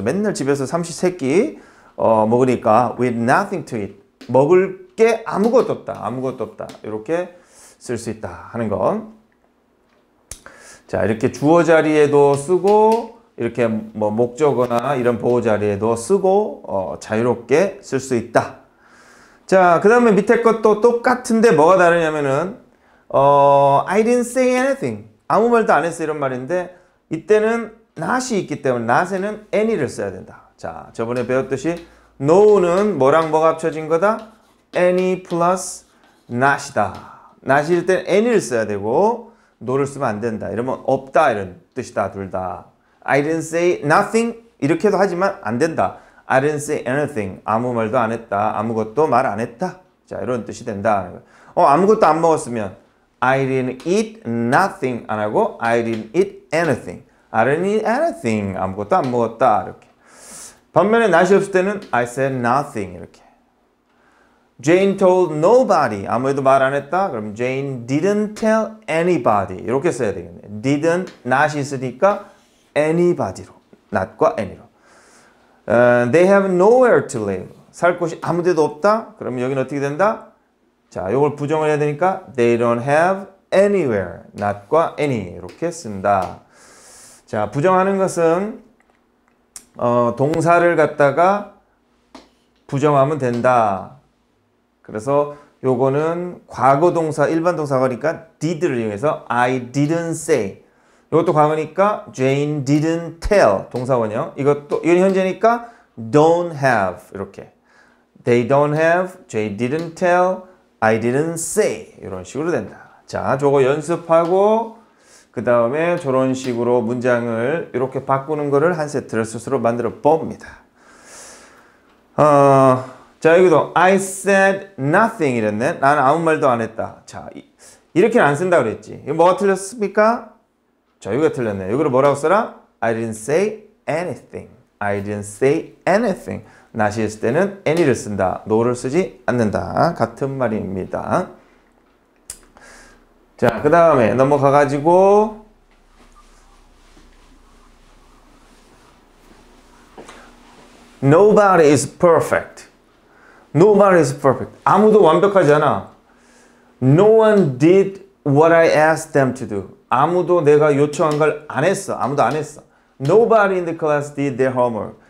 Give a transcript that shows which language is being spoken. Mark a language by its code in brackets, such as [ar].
[ko] 맨날 집에서 삼시세끼 먹으니까 [en] We have nothing to eat. [ko] 먹을 게 아무것도 없다. 아무것도 없다. 이렇게 쓸 수 있다 하는 거. 자, 이렇게 주어 자리에도 쓰고 이렇게 뭐 목적어나 이런 보호 자리에도 쓰고 자유롭게 쓸 수 있다. 자, 그 다음에 밑에 것도 똑같은데 뭐가 다르냐면은 [en] I didn't say anything. [ko] 아무 말도 안 했어 이런 말인데 이때는 not이 있기 때문에 not에는 any를 써야 된다. 자, 저번에 배웠듯이 no는 뭐랑 뭐가 합쳐진 거다? any plus not이다. not일 때는 any를 써야 되고 no를 쓰면 안 된다. 이러면 없다 이런 뜻이다, 둘 다. [en] I didn't say nothing. [ko] 이렇게도 하지만 안 된다. [en] I didn't say anything. [ko] 아무 말도 안 했다. 아무것도 말 안 했다. 자, 이런 뜻이 된다. 아무것도 안 먹었으면 [en] I didn't eat nothing [ko] 안 하고 [en] I didn't eat anything. I didn't eat anything. [ko] 아무것도 안 먹었다. 이렇게. 반면에 not이 없을 때는 [en] I said nothing. 이렇게. Jane told nobody. [ko] 아무에도 말 안 했다. [en] 그럼 Jane didn't tell anybody. [ko] 이렇게 써야 되겠네. Didn't, not이 있으니까 anybody로. not과 any로. [en] They have nowhere to live. [ko] 살 곳이 아무 데도 없다? 그러면 여기는 어떻게 된다? 자, 이걸 부정을 해야 되니까 [en] They don't have anywhere. [ko] not과 any. 이렇게 쓴다. 자, 부정하는 것은 동사를 갖다가 부정하면 된다. 그래서 요거는 과거 동사, 일반 동사가 그러니까 did를 이용해서 [en] I didn't say. [ko] 이것도 과거니까 Jane didn't tell 동사원형 이것도 이건 현재니까 don't have 이렇게 [en] they don't have, Jane didn't tell, I didn't say [ko] 이런 식으로 된다. 자, 저거 연습하고 그 다음에 저런 식으로 문장을 이렇게 바꾸는 거를 한 세트를 스스로 만들어 봅니다. 자, 여기도 [en] I said nothing [ko] 이랬네. 나는 아무 말도 안 했다. 자, 이렇게는 안 쓴다 그랬지. 이거 뭐가 틀렸습니까? 자, 여기가 틀렸네. 여기를 뭐라고 써라? [en] I didn't say anything. I didn't say anything. [ko] not이 있을 때는 any를 쓴다. no를 쓰지 않는다. 같은 말입니다. 자, 그 다음에 넘어가가지고 [en] Nobody is perfect. Nobody is perfect. [ko] 아무도 완벽하지 않아. [en] No one did what I asked them to do. [ko] 아무도 내가 요청한 걸 안 했어. 아무도 안 했어. [en] Nobody in the class did their homework.